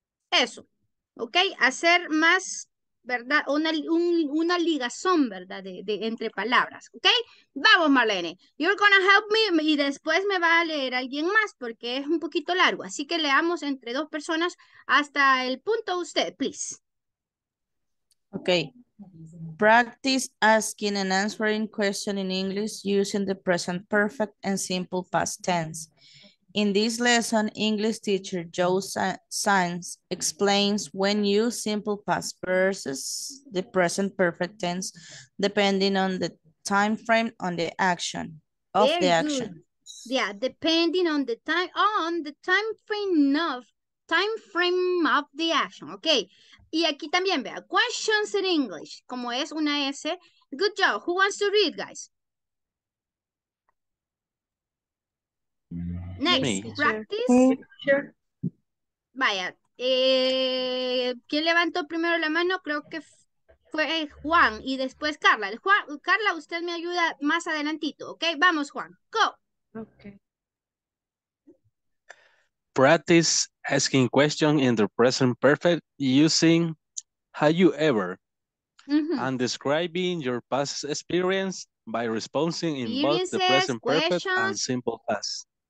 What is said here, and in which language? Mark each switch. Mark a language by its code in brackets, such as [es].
[es] Eso, ¿ok? Hacer más, ¿verdad? Una ligazón, ¿verdad? De entre palabras, ¿ok? Vamos, Marlene. [en] You're gonna help me [es] y después me va a leer alguien más porque es un poquito largo. Así que leamos entre dos personas hasta el punto usted, please. [en] Okay. Practice asking and answering questions in English using the present perfect and simple past tense. In this lesson, English teacher Joe Sainz explains when use simple past versus the present perfect tense depending on the time frame on the action of the Very good. action. Yeah, depending on the time of the action. [es] Okay. Y aquí también vea [en] questions in English. [es] Como es una S. [en] Good job. Who wants to read, guys? Next, Me. practice. Teacher. [es] Vaya. ¿Quién levantó primero la mano? Creo que fue Juan y después Carla. Juan, Carla, usted me ayuda más adelantito, ¿ok? Vamos, Juan. Go. [en] Okay. Practice asking questions in the present perfect using have you ever. and describing your past experience by responding in both the present perfect and simple past.